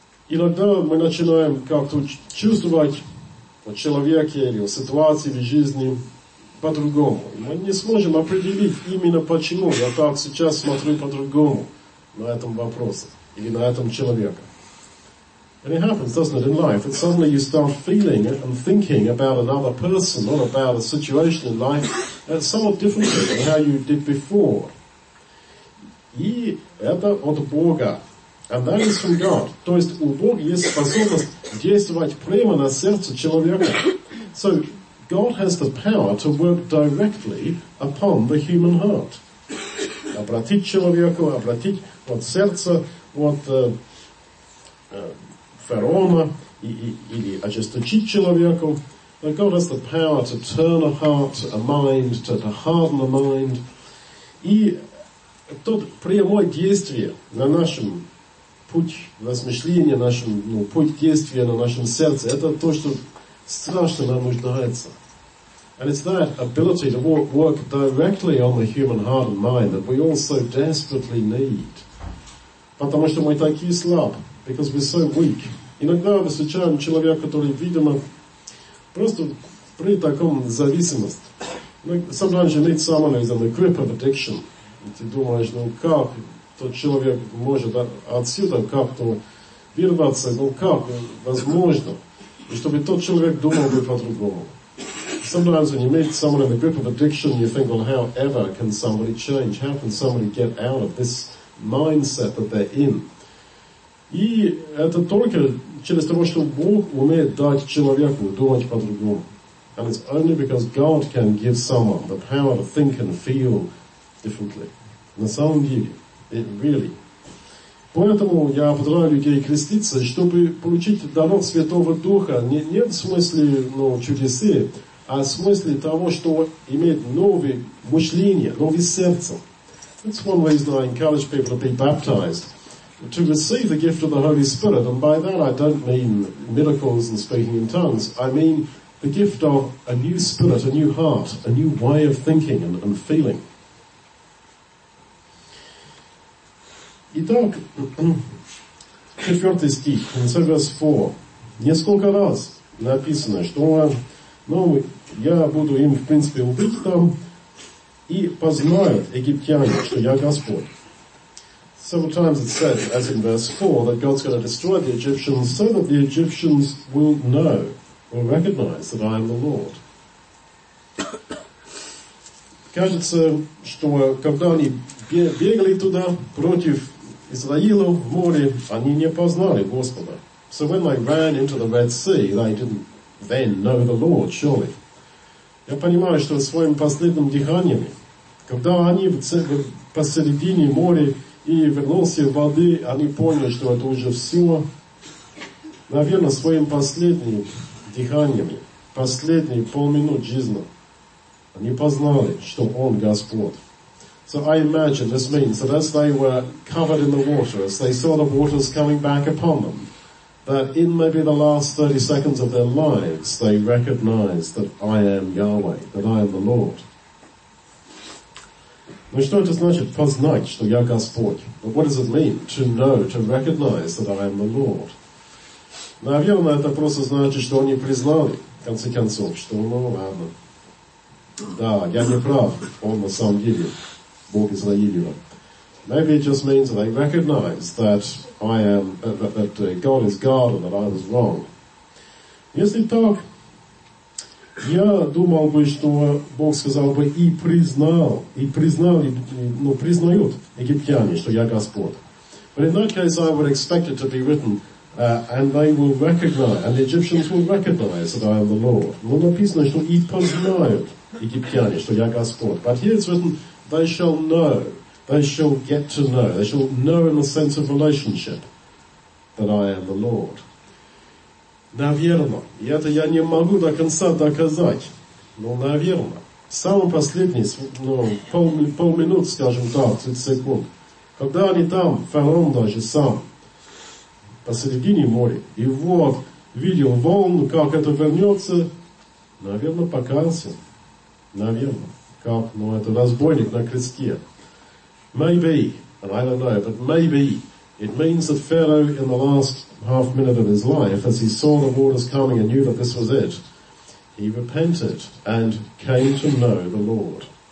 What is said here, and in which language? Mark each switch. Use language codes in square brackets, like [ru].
[ru] Иногда мы начинаем как-то чувствовать о человеке или о ситуации в жизни по-другому. Мы не сможем определить именно почему я так сейчас смотрю по-другому на этом вопросе или на этом человеке. [en] And it happens, doesn't it, in life? And suddenly you start feeling and thinking about another person or about a situation in life that's somewhat different than how you did before. [ru] И это от Бога. [en] And that is from God. [ru] То есть у Бога есть способность действовать прямо на сердце человека. [en] So, God has the power to work directly upon the human heart. [ru] Обратить человеку, обратить вот сердце, вот фараона, или ожесточить человеку. [en] But God has the power to turn a heart, a mind, to harden a mind. [ru] И тут прямое действие на нашем путь размышления, нашем, ну, путь действия на нашем сердце, это то, что страшно нам нуждается. [en] And it's that ability to work directly on the human heart and mind that we all so desperately need. [ru] Потому что мы такие слабы, [en] because we're so weak. [ru] Иногда мы встречаем человека, который, видимо, просто при таком зависимости. [en] Sometimes you meet someone who's in the grip of addiction. [ru] И ты думаешь, ну как тот человек может отсюда как-то вырваться, ну как возможно, и чтобы тот человек думал бы по-другому. [en] Sometimes when you meet someone in the grip of addiction, you think, well, how ever can somebody change? How can somebody get out of this mindset that they're in? [ru] И это только через то, что Бог умеет дать человеку думать по-другому. [en] And it's only because God can give someone the power to think and feel differently. [ru] На самом деле, [en] really. [ru] Поэтому я призываю людей креститься, чтобы получить дарок Святого Духа не в смысле, ну, чудесы, а в смысле того, что иметь новое мышление, новое сердце. [en] That's one reason I encourage people to be baptized. To receive the gift of the Holy Spirit, and by that I don't mean miracles and speaking in tongues. I mean the gift of a new spirit, a new heart, a new way of thinking and feeling. [ru] Итак, четвертый стих, [en] verse 4. [ru] Несколько раз написано, что я буду им, в принципе, убить там, и познают египтяне, что я Господь. [en] Several times it's said, as in verse 4, that God's going to destroy the Egyptians so that the Egyptians will know or recognize that I am the Lord. [ru] Кажется, что когда они бегали туда против Израилу в море, они не познали Господа. [en] So when they ran into the Red Sea, they didn't then know the Lord, surely. [ru] Я понимаю, что своими последними дыханиями, когда они посередине моря и вернулся в воды, они поняли, что это уже все. Наверное, своим последним дыханием, последние полминут жизни, они познали, что Он Господь. [en] So I imagine this means that as they were covered in the water, as they saw the waters coming back upon them, that in maybe the last 30 seconds of their lives, they recognized that I am Yahweh, that I am the Lord. [ru] Ну что это значит, познать, что я Господь? [en] What does it mean to know, to recognize that I am the Lord? [ru] Наверное, это просто значит, что они признали, в конце концов, что, ладно. Да, я не прав, он на самом деле, Бог Израилева. [en] Maybe it just means that they recognize that I am, that God is God and that I was wrong. [ru] Если так, я думал бы, что Бог сказал бы признают египтяне, что я Господь. [en] But in that case, I would expect it to be written, and they will recognize, and the Egyptians will recognize that I am the Lord. [ru] Но написано, что и познают египтяне, что я Господь. [en] But here it's written, they shall know. They shall get to know. They shall know in the sense of relationship that I am the Lord. [ru] Наверное, и это я не могу до конца доказать, но наверное, самый последний, полминут, скажем так, 30 секунд, когда они там, фараон даже сам, посередине моря, и вот, видел волну, как это вернется, наверное, покаялся. Наверное, как, это разбойник на кресте. [en] Maybe, and I don't know, but maybe it means that Pharaoh in the last half minute of his life, as he saw the waters coming and knew that this was it, he repented and came to know the Lord.